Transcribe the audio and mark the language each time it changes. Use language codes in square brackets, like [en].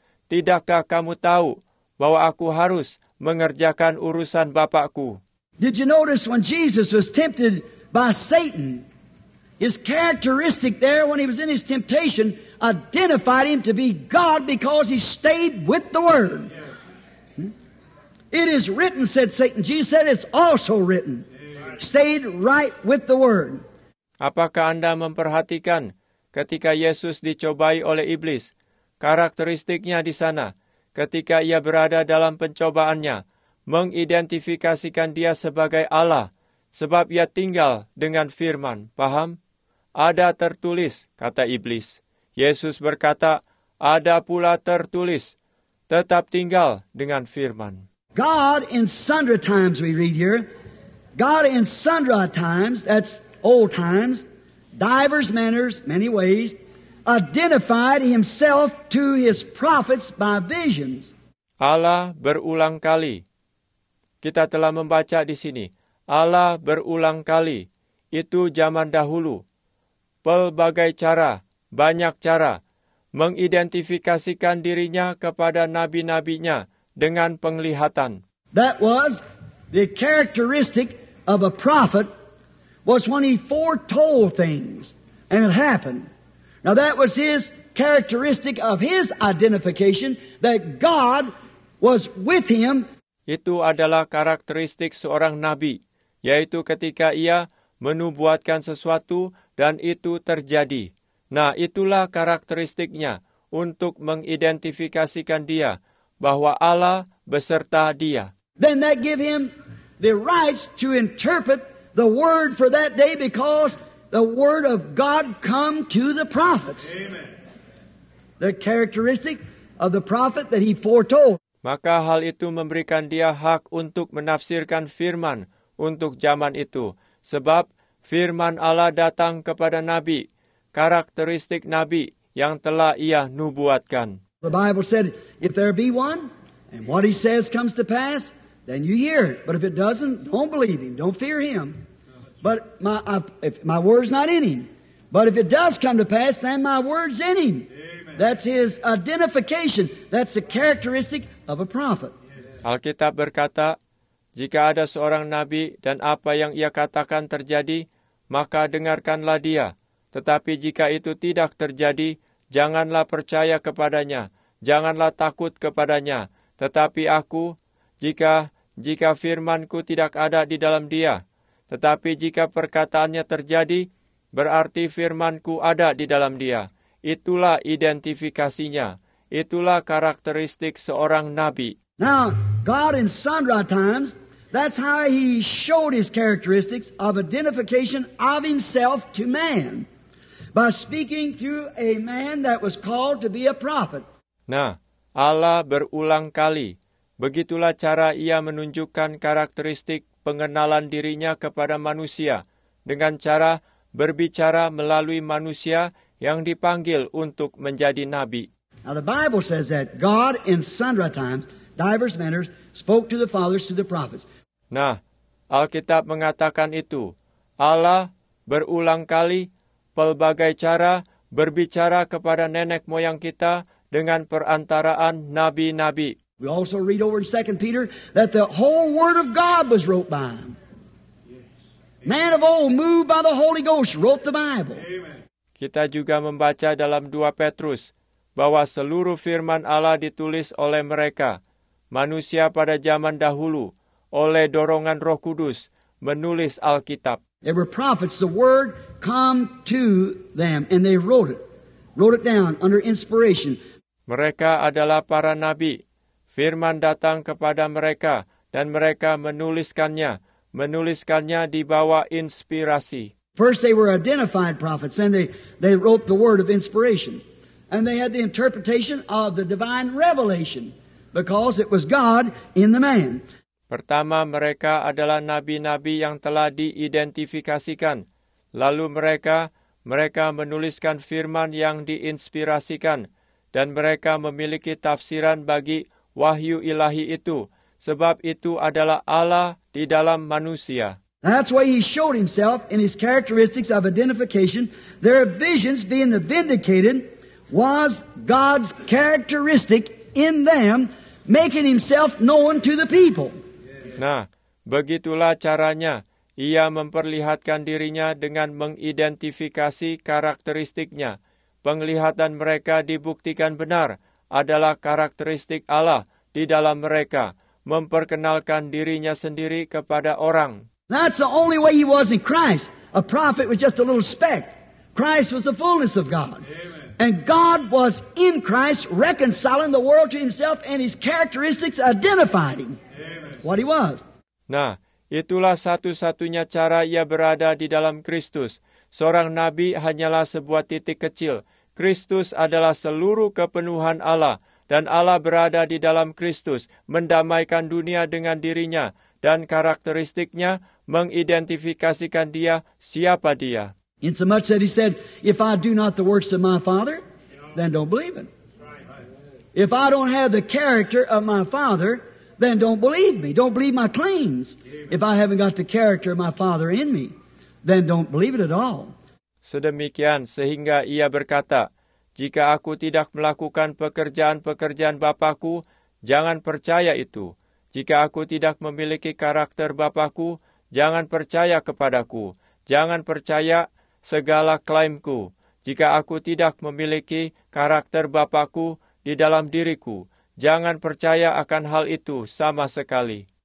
[id] Tidakkah kamu tahu bahwa aku harus mengerjakan urusan bapakku. [en] Did you notice when Jesus was tempted by Satan, his characteristic there when he was in his temptation identified him to be God because he stayed with the Word. It is written, said Satan. Jesus said, it's also written. Stayed right with the Word. [id] Apakah Anda memperhatikan ketika Yesus dicobai oleh iblis, karakteristiknya di sana, ketika ia berada dalam pencobaannya, mengidentifikasikan dia sebagai Allah, sebab ia tinggal dengan firman, paham? Ada tertulis, kata iblis. Yesus berkata, ada pula tertulis, tetap tinggal dengan firman. [en] God in sundry times, we read here, God in sundry times, that's old times, divers manners, many ways, identified himself to his prophets by visions. [id] Allah berulang kali. Kita telah membaca di sini. Allah berulang kali. Itu zaman dahulu. Pelbagai cara, banyak cara, mengidentifikasikan dirinya kepada nabi-nabinya dengan penglihatan. [en] That was the characteristic of a prophet was when he foretold things and it happened. Now that was his characteristic of his identification, that God was with him. [id] Itu adalah karakteristik seorang nabi, yaitu ketika ia menubuatkan sesuatu dan itu terjadi. Nah, itulah karakteristiknya untuk mengidentifikasikan dia, bahwa Allah beserta dia. [en] Then that give him the rights to interpret the word for that day because the word of God come to the prophets. Amen. The characteristic of the prophet that he foretold. [id] Maka hal itu memberikan dia hak untuk menafsirkan firman untuk zaman itu. Sebab firman Allah datang kepada nabi, karakteristik nabi yang telah ia nubuatkan. [en] The Bible said, if there be one, and what he says comes to pass, then you hear it. But if it doesn't, don't believe him, don't fear him. But my word's not in him. But if it does come to pass, then my word's in him. Amen. That's his identification. That's the characteristic of a prophet. [id] Alkitab berkata, jika ada seorang nabi dan apa yang ia katakan terjadi, maka dengarkanlah dia. Tetapi jika itu tidak terjadi, janganlah percaya kepadanya, janganlah takut kepadanya. Tetapi aku, jika firmanku tidak ada di dalam dia, tetapi jika perkataannya terjadi, berarti firmanku ada di dalam dia. Itulah identifikasinya. Itulah karakteristik seorang nabi. [en] Now, God in sundry times, that's how he showed his characteristics of identification of himself to man. By speaking through a man that was called to be a prophet. [id] Nah, Allah berulang kali. Begitulah cara ia menunjukkan karakteristik pengenalan dirinya kepada manusia, dengan cara berbicara melalui manusia yang dipanggil untuk menjadi nabi. [en] Now the Bible says that God in sundry times, diverse manners, spoke to the fathers through the prophets. [id] Nah, Alkitab mengatakan itu. Allah berulang kali, pelbagai cara, berbicara kepada nenek moyang kita dengan perantaraan nabi-nabi. [en] We also read over in 2 Peter that the whole word of God was wrote by him. Man of old, moved by the Holy Ghost, wrote the Bible. [id] Kita juga membaca dalam 2 Petrus bahwa seluruh firman Allah ditulis oleh mereka. Manusia pada zaman dahulu, oleh dorongan Roh Kudus, menulis Alkitab. [en] There were prophets, the word come to them, and they wrote it down under inspiration. [id] Mereka adalah para nabi. Firman datang kepada mereka, dan mereka menuliskannya di bawah inspirasi. [en] First they were identified prophets, and they wrote the word of inspiration. And they had the interpretation of the divine revelation, because it was God in the man. [id] Pertama, mereka adalah nabi-nabi yang telah diidentifikasikan. Lalu mereka menuliskan firman yang diinspirasikan. Dan mereka memiliki tafsiran bagi wahyu ilahi itu. Sebab itu adalah Allah di dalam manusia. [en] That's why he showed himself in his characteristics of identification. Their visions being the vindicated was God's characteristic in them, making himself known to the people. [id] Nah, begitulah caranya ia memperlihatkan dirinya dengan mengidentifikasi karakteristiknya. Penglihatan mereka dibuktikan benar adalah karakteristik Allah di dalam mereka, memperkenalkan dirinya sendiri kepada orang. [en] That's the only way he was in Christ. A prophet was just a little speck. Christ was the fullness of God. Amen. And God was in Christ reconciling the world to himself, and his characteristics identified him. What he was. [id] Nah, itulah satu-satunya cara ia berada di dalam Kristus. Seorang nabi hanyalah sebuah titik kecil. Kristus adalah seluruh kepenuhan Allah. Dan Allah berada di dalam Kristus, mendamaikan dunia dengan dirinya. Dan karakteristiknya mengidentifikasikan dia, siapa dia. [en] In so much that he said, if I do not the works of my Father, then don't believe it. If I don't have the character of my Father, then don't believe me. Don't believe my claims. If I haven't got the character of my Father in me, then don't believe it at all. [id] Sedemikian sehingga ia berkata, jika aku tidak melakukan pekerjaan-pekerjaan Bapa-Ku, jangan percaya itu. Jika aku tidak memiliki karakter Bapa-Ku, jangan percaya kepadaku. Jangan percaya segala klaimku. Jika aku tidak memiliki karakter Bapa-Ku di dalam diriku, jangan percaya akan hal itu sama sekali.